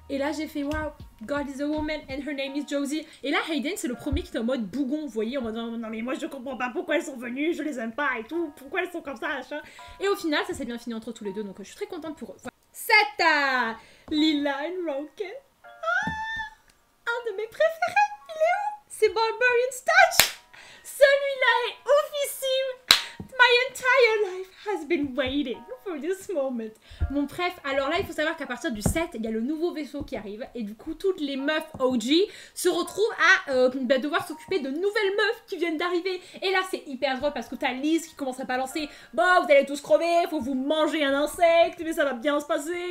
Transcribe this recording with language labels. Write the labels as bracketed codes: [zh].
[fr] Et là j'ai fait waouh, [en] God is a woman and her name is Josie. [fr] Et là Hayden c'est le premier qui est en mode bougon, vous voyez, en mode non mais moi je comprends pas pourquoi elles sont venues, je les aime pas et tout, pourquoi elles sont comme ça, machin. Et au final ça s'est bien fini entre tous les deux, donc je suis très contente pour eux. 7 à Lila and Roken. Ah, un de mes préférés, il est où? C'est Barbarian's Touch. Celui-là est oufissime. [en] My entire life has been waiting for this moment. [fr] Mon préf, alors là, il faut savoir qu'à partir du 7, il y a le nouveau vaisseau qui arrive. Et du coup, toutes les meufs OG se retrouvent à devoir s'occuper de nouvelles meufs qui viennent d'arriver. Et là, c'est hyper drôle parce que t'as Liz qui commence à balancer. Bon, vous allez tous crever, faut vous manger un insecte, mais ça va bien se passer.